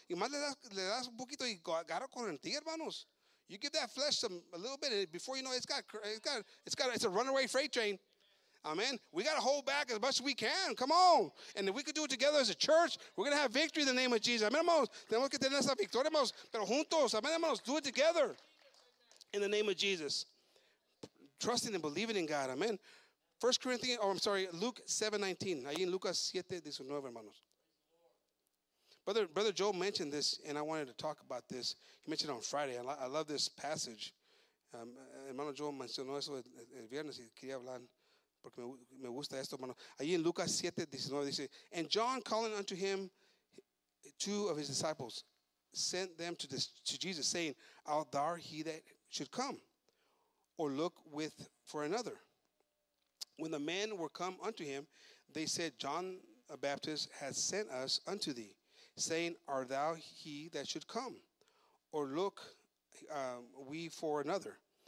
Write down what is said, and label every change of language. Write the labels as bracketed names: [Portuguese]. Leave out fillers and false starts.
[Spanish] Y más le das un poquito y agarra con el tío, hermanos. [English] You give that flesh a little bit, and before you know it, it's a runaway freight train. Amen. We got to hold back as much as we can. Come on. And if we could do it together as a church, we're going to have victory in the name of Jesus. [Spanish] Amen, hermanos. Tenemos que tener esa victoria, hermanos. Pero juntos. Amen, hermanos. [English] Do it together in the name of Jesus. Trusting and believing in God. Amen. 1 Corinthians, oh, I'm sorry, Luke 7:19. [Spanish] Ahí en Lucas 7:19, hermanos. [English] Brother Joe mentioned this, and I wanted to talk about this. He mentioned it on Friday. I love this passage. [Spanish] Hermano Joe mencionó eso el viernes y quería hablar. Porque me gusta esto, hermano. Allí en Lucas 7:19 dice, [English] and John calling unto him two of his disciples sent them to Jesus, saying, out there he that should come, or look with for another. When the men were come unto him, they said, John the Baptist has sent us unto thee, saying, art thou he that should come, or look we for another?